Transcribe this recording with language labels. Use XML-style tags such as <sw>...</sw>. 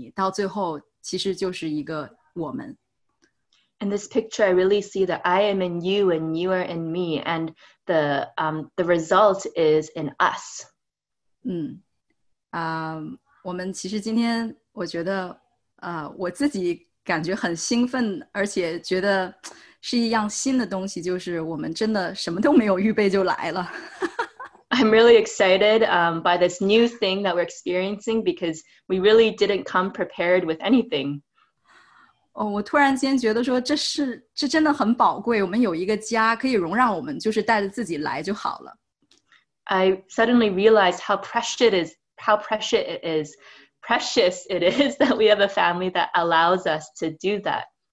<zh>我觉得这个画面就是我所能好像看到的就是真的你中有我，我中有你，到最后其实就是一个我们。</zh> <en>In this picture, I really see that I am in you and you are in me, and the result is in us.</en> <zh>我们其实今天我觉得我自己感觉很兴奋，而且觉得 是一样新的东西，就是我们真的什么都没有预备就来了。</zh> <en>I'm really excited by this new thing that we're experiencing because we really didn't come prepared with anything.</en> <zh>我突然间觉得说这真的很宝贵，我们有一个家可以容让我们就是带着自己来就好了。</zh> <en>I suddenly realized how precious it is that we have a family that allows us to do that.</en>